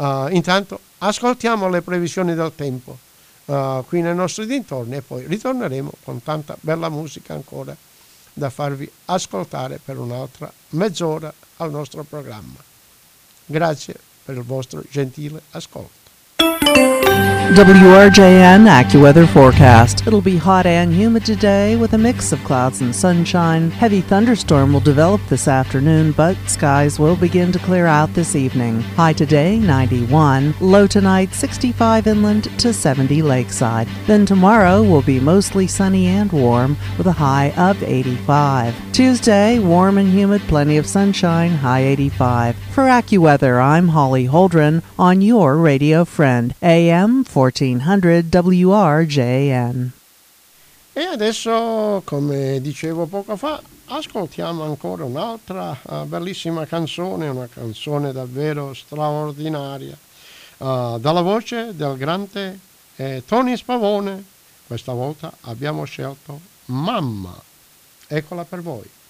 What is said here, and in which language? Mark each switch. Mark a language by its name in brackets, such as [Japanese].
[Italian] Intanto ascoltiamo le previsioni del tempo qui nei nostri dintorni, e poi ritorneremo con tanta bella musica ancora da farvi ascoltare per un'altra mezz'ora al nostro programma. Grazie per il vostro gentile ascolto. [English] WRJN AccuWeather Forecast. It'll be hot and humid today with a mix of clouds and sunshine. Heavy thunderstorm will develop this afternoon, but skies will begin to clear out this evening. High today, 91. Low tonight, 65 inland to 70 lakeside. Then tomorrow will be mostly sunny and warm with a high of 85. Tuesday, warm and humid, plenty of sunshine, high 85. For AccuWeather, I'm Holly Holdren on your radio friend, AM 1400 WRJN. [Italian] E adesso, come dicevo poco fa, ascoltiamo ancora un'altra bellissima canzone, una canzone davvero straordinaria, dalla voce del grande Tony Spavone. Questa volta abbiamo scelto Mamma. Eccola per voi.